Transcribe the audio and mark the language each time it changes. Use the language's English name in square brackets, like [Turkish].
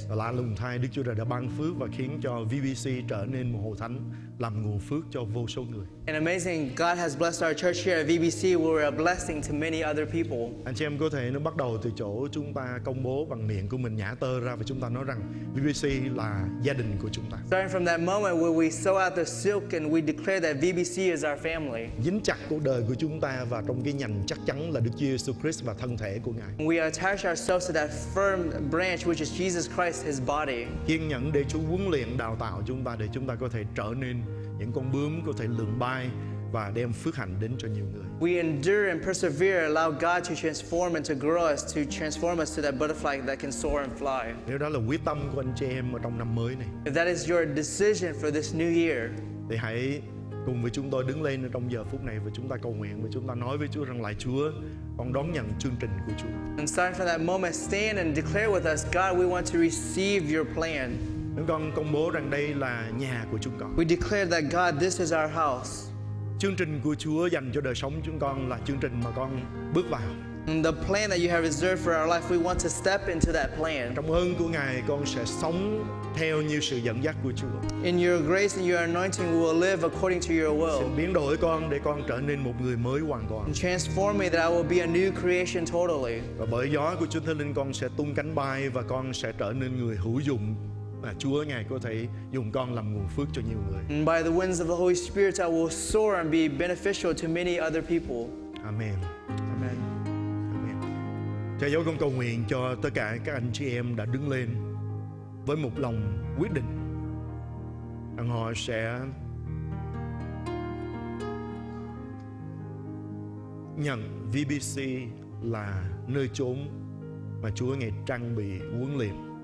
[Vietnamese] Và lạ lùng thay Đức Chúa Trời đã ban phước và khiến cho VBC trở nên một hội thánh làm nguồn phước cho vô số người. [English] And amazing, God has blessed our church here at VBC. We're a blessing to many other people. [Vietnamese] Anh chị em có thể nó bắt đầu từ chỗ chúng ta công bố bằng miệng của mình nhả tơ ra và chúng ta nói rằng VBC là gia đình của chúng ta. [English] Starting from that moment where we sew out the silk and we declare that VBC is our family. [Vietnamese] Dính chặt cuộc đời của chúng ta và trong cái nhành chắc chắn là Đức Chúa Jesus Christ và thân thể của Ngài. [English] We attach ourselves to that firm branch which is Jesus Christ, His body. [Vietnamese] Kiên nhẫn để Chúa huấn luyện đào tạo chúng ta để chúng ta có thể trở nên những con bướm có thể lượn bay và đem phước hạnh đến cho nhiều người. [English] We endure and persevere, allow God to transform and to grow us, to transform us to that butterfly that can soar and fly. [Vietnamese] Nếu đó là quyết tâm của anh chị em ở trong năm mới này. [English] If that is your decision for this new year, [Vietnamese] thì hãy cùng với chúng tôi đứng lên trong giờ phút này và chúng ta cầu nguyện và chúng ta nói với Chúa rằng lại Chúa, con đón nhận chương trình của Chúa. [English] And starting from that moment, stand and declare with us, God, we want to receive your plan. [Vietnamese] Chúng con công bố rằng đây là nhà của chúng con. [English] We declare that God, this is our house. [Vietnamese] Chương trình của Chúa dành cho đời sống chúng con là chương trình mà con bước vào. [English] And the plan that you have reserved for our life, we want to step into that plan. [Vietnamese] Trong ơn của Ngài, con sẽ sống theo như sự dẫn dắt của Chúa. [English] In your grace and your anointing, we will live according to your will. [Vietnamese] Xin biến đổi con để con trở nên một người mới hoàn toàn. [English] And transform me that I will be a new creation totally. [Vietnamese] Và bởi gió của Chúa Thánh Linh, con sẽ tung cánh bay và con sẽ trở nên người hữu dụng. Mà Chúa ngài có thể dùng con làm nguồn phước cho nhiều người. [English] And by the winds of the Holy Spirit, I will soar and be beneficial to many other people. Amen. Amen. Amen. [Vietnamese] Cha dấu con cầu nguyện cho tất cả các anh chị em đã đứng lên với một lòng quyết định rằng họ sẽ nhận VBC là nơi chốn mà Chúa ngài trang bị huấn luyện.